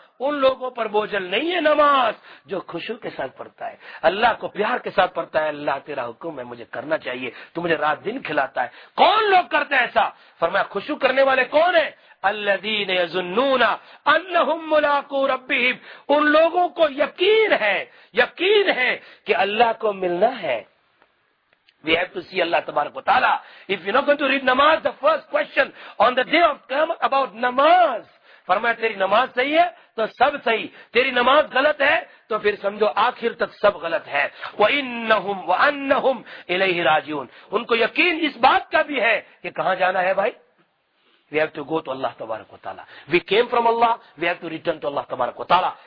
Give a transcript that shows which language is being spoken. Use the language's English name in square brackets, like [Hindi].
[Urdu] ان لوگوں پر بوجھل نہیں ہے نماز جو خشوع کے ساتھ پڑھتا ہے، اللہ کو پیار کے ساتھ پڑھتا ہے، اللہ تیرا حکم ہے مجھے کرنا چاہیے، تو مجھے رات دن کھلاتا ہے. کون لوگ کرتے ہیں ایسا؟ فرمایا خشوع کرنے والے کون ہیں؟ [Arabic] الذین یظنون انہم ملاقو ربہم، [Urdu] ان لوگوں کو یقین ہے، یقین ہے کہ اللہ کو ملنا ہے. [English] We have to see Allah tabarak wa ta'ala. If you're not going to read namaz, the first question on the day of Qiyamah about namaz. [Urdu] فرمایا تیری نماز صحیح ہے تو سب صحیح، تیری نماز غلط ہے تو پھر سمجھو آخر تک سب غلط ہے. [Arabic] وَإِنَّهُمْ وَأَنَّهُمْ إِلَيْهِ رَاجِعُونَ، [Urdu] ان کو یقین اس بات کا بھی ہے کہ کہاں جانا ہے بھائی. [English] We have to go to Allah تبارک و تعالیٰ. We came from Allah, we have to return to Allah تبارک و تعالیٰ.